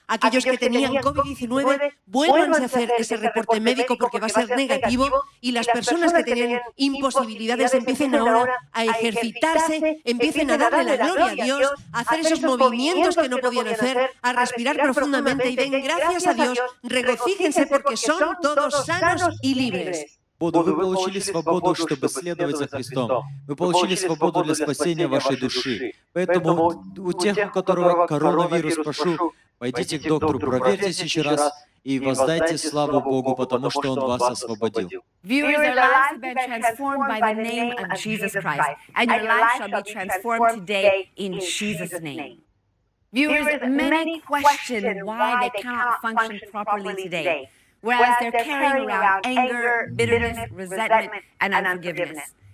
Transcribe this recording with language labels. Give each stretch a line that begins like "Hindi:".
Spanish: Aquellos que tenían COVID-19, vuélvanse a hacer ese reporte médico porque va a ser negativo, y las personas que tenían imposibilidades empiecen ahora a ejercitarse, empiecen a darle la gloria a Dios, a hacer esos movimientos que no podían hacer, a respirar profundamente y den gracias a Dios, regocíjense porque son todos sanos y libres.
Russian: Буду, вы получили свободу, чтобы следовать за Христом. Вы получили свободу для спасения вашей души. Поэтому у тех, у которых коронавирус, прошу, пойдите к доктору, проверьтесь еще раз и воздайте славу Богу, потому что Он вас освободил.
English: Viewers, your lives have been transformed by the name of Jesus Christ, and your life shall be transformed today in Jesus' name. Viewers, many question why they cannot function properly today. Whereas they're carrying around anger, bitterness, resentment, and unforgiveness.